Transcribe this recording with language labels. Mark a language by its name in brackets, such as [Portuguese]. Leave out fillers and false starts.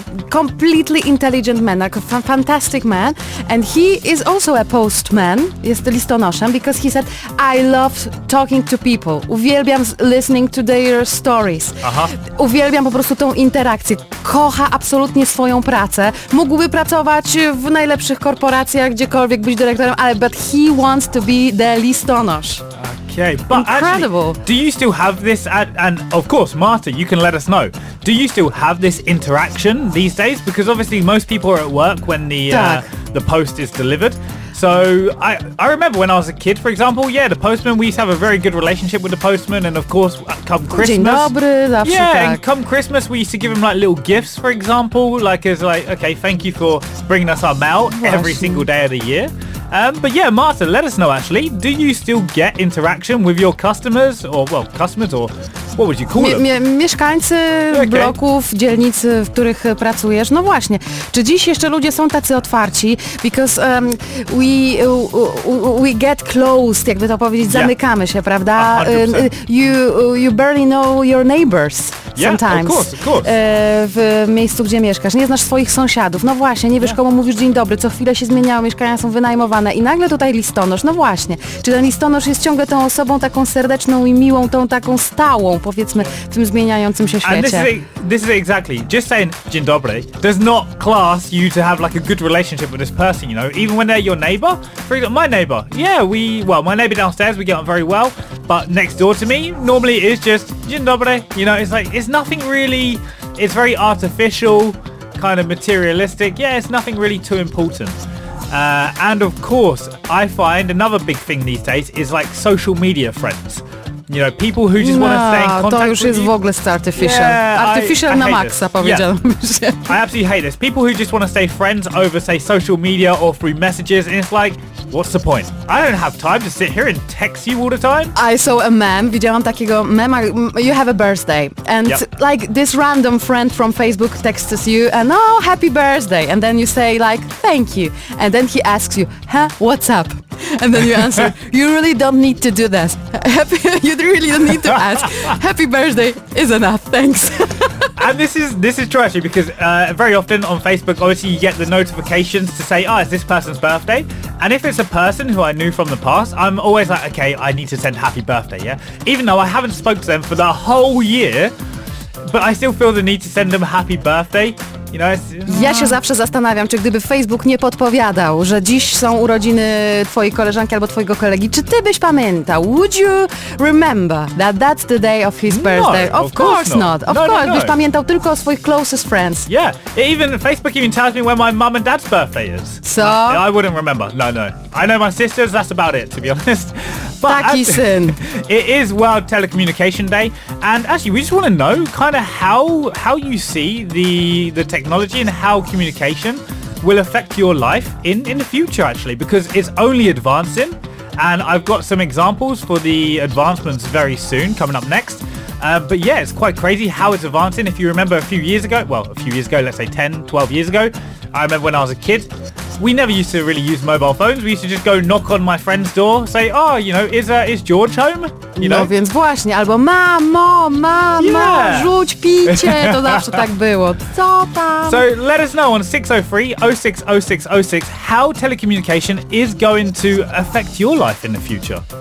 [English] Completely intelligent man, like a fantastic man. And he is also a postman, [Polish] jest listonoszem, [English] because he said, I love talking to people. [Polish] Uwielbiam [English] listening to their stories. Aha. [Polish] Uwielbiam po prostu tą interakcję. Kocha absolutnie swoją pracę. Mógłby pracować w najlepszych korporacjach, gdziekolwiek być dyrektorem, ale [English] but he wants to be the listonosz. Okay, but incredible. Actually, do you still have this, and of course, Marta, you can let us know, do you still have this interaction these days? Because obviously most people are at work when the post is delivered. So I remember when I was a kid, for example, yeah, the postman, we used to have a very good relationship with the postman, and of course, come Christmas. [Polish] Dzień dobry, zawsze [English] yeah, [Polish] tak. [English] And come Christmas, we used to give him like little gifts, for example, like as like, okay, thank you for bringing us our mail [Polish] właśnie [English] every single day of the year. But yeah, Marta, let us know actually, do you still get interaction with your customers, or well, customers, or what would you call them? [Polish] Mieszkańcy okay. bloków, dzielnicy, w których pracujesz, no właśnie. Czy dziś jeszcze ludzie są tacy otwarci? [English] Because we get closed, [Polish] jakby to powiedzieć, zamykamy [English] yeah. [Polish] się, prawda? [English] 100%. You barely know your neighbors. Sometimes. Yeah, of course. [Polish] W miejscu, gdzie mieszkasz. Nie znasz swoich sąsiadów. No właśnie, nie wiesz, komu mówisz dzień dobry. Co chwilę się zmieniają, mieszkania są wynajmowane. I nagle tutaj listonosz. No właśnie. Czy ten listonosz jest ciągle tą osobą taką serdeczną i miłą, tą taką stałą, powiedzmy, w tym zmieniającym się świecie? [English] And this is exactly. Just saying [Polish] dzień dobry [English] does not class you to have like a good relationship with this person, you know? Even when they're your neighbor. For example, my neighbor. Yeah, my neighbor downstairs, we get on very well. But next door to me, normally it's just [Polish] dzień dobry. [English] You know, it's like, it's nothing really, it's very artificial, kind of materialistic. Yeah, it's nothing really too important. And of course, I find another big thing these days is like social media friends. You know, people who just want to stay in contact with you. [Polish] No, to już jest w ogóle artificial. [English] Yeah, [Polish] artificial na maksa, powiedziałem. [English] Yeah. I absolutely hate this. People who just want to stay friends over, say, social media or through messages. And it's like, What's the point? I don't have time to sit here and text you all the time. I saw a meme. [Polish] Widziałam takiego meme, [English] you have a birthday. And yep. like this random friend from Facebook texts you and oh, happy birthday. And then you say like, thank you. And then he asks you, huh, what's up? And then you answer, you really don't need to do that. You really don't need to ask. Happy birthday is enough. Thanks. And this is trashy because very often on Facebook, obviously you get the notifications to say, oh, it's this person's birthday. And if it's a person who I knew from the past, I'm always like, okay, I need to send happy birthday, yeah? Even though I haven't spoke to them for the whole year, but I still feel the need to send them happy birthday. [Polish] Ja się zawsze zastanawiam, czy gdyby Facebook nie podpowiadał, że dziś są urodziny twojej koleżanki albo twojego kolegi, czy ty byś pamiętał? [English] Would you remember that that's the day of his birthday? No, of course not. Of course, [Polish] byś pamiętał tylko o swoich [English] closest friends. Yeah, Facebook even tells me when my mum and dad's birthday is. So? I wouldn't remember, no. I know my sisters, that's about it, to be honest. [Polish] But taki syn. [English] It is World Telecommunication Day, and actually, we just want to know kind of how you see the technology and how communication will affect your life in the future, actually, because it's only advancing, and I've got some examples for the advancements very soon coming up next. But yeah, it's quite crazy how it's advancing. If you remember a few years ago, let's say 10, 12 years ago, I remember when I was a kid, we never used to really use mobile phones. We used to just go knock on my friend's door, say, oh, you know, is George home? You know? [Polish] No więc właśnie, albo mamo, yeah. Rzuć picie, to zawsze tak było. Co tam? [English] So let us know on 603-060606 how telecommunication is going to affect your life in the future.